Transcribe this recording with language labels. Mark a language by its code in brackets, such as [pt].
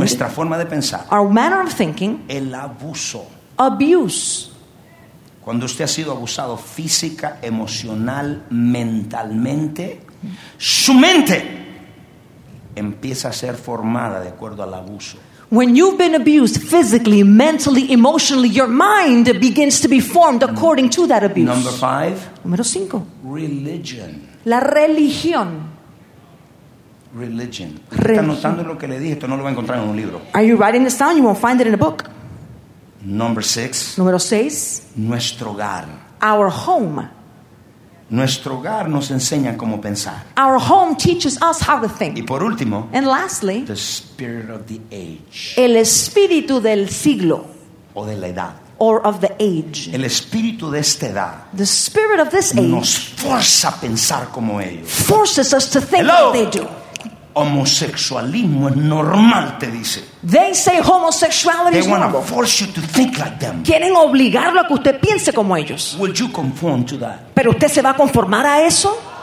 [es] Nuestra forma de pensar. [en] Our manner of thinking. [es] El abuso. [en] Abuse. [es] Cuando usted ha sido abusado física, emocional, mentalmente, su mente empieza a ser formada de acuerdo al abuso. [en] When you've been abused physically, mentally, emotionally, your mind begins to be formed according to that abuse. Number five. [es] Número cinco. [en] Religion. [es] La religión. Religion. ¿Está anotando lo que le dije? Esto no lo va a encontrar en un libro. [en] Are you writing this down? You won't find it in a book. Number six. [es] Número seis. Nuestro hogar. [en] Our home. [es] Nuestro hogar nos enseña cómo pensar. [en] Our home teaches us how to think. [es] Y por último, [en] and lastly, the spirit of the age. [es] El espíritu del siglo. O de la edad. [en] Or of the age. [es] El espíritu de esta edad. [en] The spirit of this age. [es] Nos fuerza a pensar como ellos. [en] Forces us to think Hello. Like they do. [es] Homosexualismo es normal, te dice. [en] They say homosexuality They is normal. They want to force you to think like them. [es] Quieren obligarlo a que usted piense como ellos. [en] Will you conform to that? [es] ¿Pero usted se va a conformar a eso?